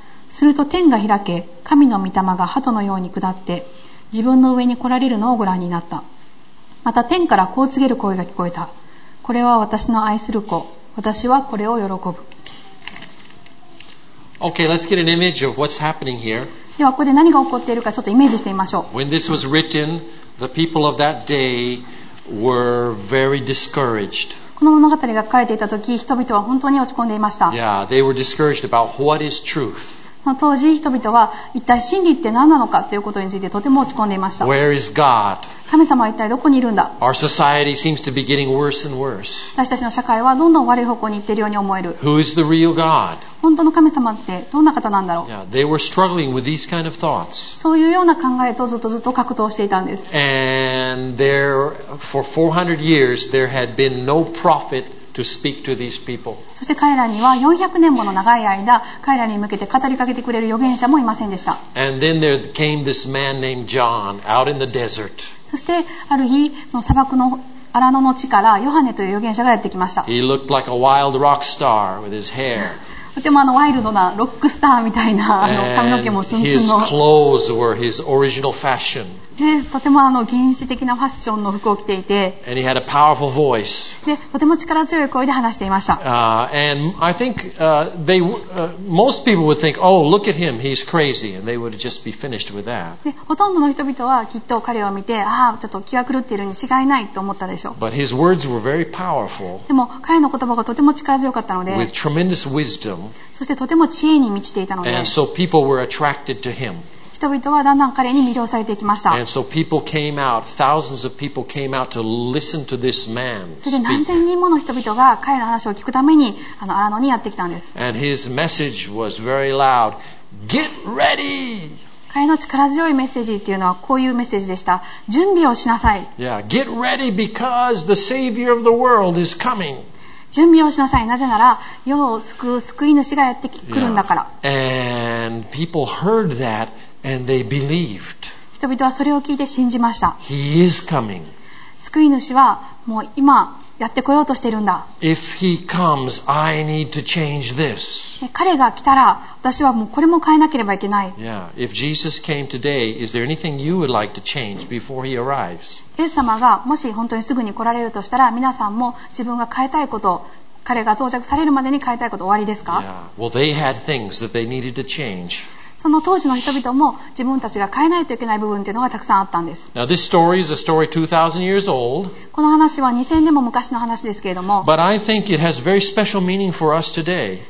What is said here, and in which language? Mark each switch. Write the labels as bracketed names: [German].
[Japanese] すると天が開け、神の御霊が鳩のように下って自分の上に来られるのをご覧になった。また天からこう告げる声が聞こえた。これは私の愛する子、私はこれを喜ぶ。 [English] Okay, let's get an image of what's happening here. [Japanese] ではここで何が起こっているかちょっとイメージしてみましょう。 [English] When this was written, the people of that day were very discouraged. [Japanese] この物語が書かれていた時、人々は本当に落ち込んでいました。 [English] Yeah, they were discouraged about what is truth. [Japanese] 当時人々は一体真理って何なのかということについてとても落ち込んでいました。 [English] Where is God? [Japanese] 神様は一体どこにいるんだ。 [English] Our society seems to be getting worse and worse. [Japanese] 私たちの社会はどんどん悪い方向に行っているように思える。 [English] Who is the real God? [Japanese] 本当の神様ってどんな方なんだろう。 [English] Yeah, they were struggling with these kind of thoughts. [Japanese] そういうような考えとずっとずっと格闘していたんです。 [English] And there, for 400 years, there had been no prophetTo speak to these people. [Japanese] そして彼らには400年もの長い間彼らに向けて語りかけてくれる預言者もいませんでした。 [English] And then there came this man named John out in the desert. [Japanese] そしてある日その砂漠の荒野の地からヨハネという預言者がやってきました。 [English] He looked like a wild rock star with his hair. [Japanese] とてもワイルドなロックスターみたいな髪の毛もツンツンの。 [English] And his clothes were his original fashion. [Japanese] ね、とても原始的なファッションの服を着ていて、 [English] And he had a powerful voice. [Japanese] でとても力強い声で話していました。 [English] And I think they most people would think, oh, look at him, he's crazy, and they would just be finished with that. [Japanese] でほとんどの人々はきっと彼を見て、ああ、ちょっと気が狂っているに違いないと思ったでしょう。 [English] But his words were very powerful. [Japanese] でも彼の言葉がとても力強かったので、 [English] with tremendous wisdom. [Japanese] そしてとても知恵に満ちていたので、 [English] And so people were attracted to him. [Japanese] 人々はだんだん彼に魅了されていきました。 [English] And so people came out, thousands of people came out to listen to this man. [Japanese] それで何千人もの人々が彼の話を聞くために荒野にやってきたんです。 [English] And his message was very loud. Get ready! [Japanese] 彼の力強いメッセージっていうのはこういうメッセージでした。準備をしなさい。 [English] Yeah, get ready because the savior of the world is coming. [Japanese] 準備をしなさい。なぜなら世を救う救い主がやってくるんだから。 [English] Yeah. And people heard that and they believed. [Japanese] 人々はそれを聞いて信じました。 [English] He is coming. [Japanese] 救い主はもう今やってこようとしているんだ。 [English] If he comes, I need to change this. [Japanese] 彼が来たら私はもうこれも変えなければいけない。 [English] Yeah. If Jesus came today, is there anything you would like to change before he arrives? [Japanese] イエス様がもし本当にすぐに来られるとしたら、皆さんも自分が変えたいこと、彼が到着されるまでに変えたいこと終わりですか？ [English] Yeah. Well, they had things that they needed to change. [Japanese] その当時の人々も自分たちが変えないといけない部分というのがたくさんあったんです。 [English] Now, this story is a story 2000 years old. [Japanese] この話は2000年も昔の話ですけれども。 [English] But I think it has very special meaning for us today.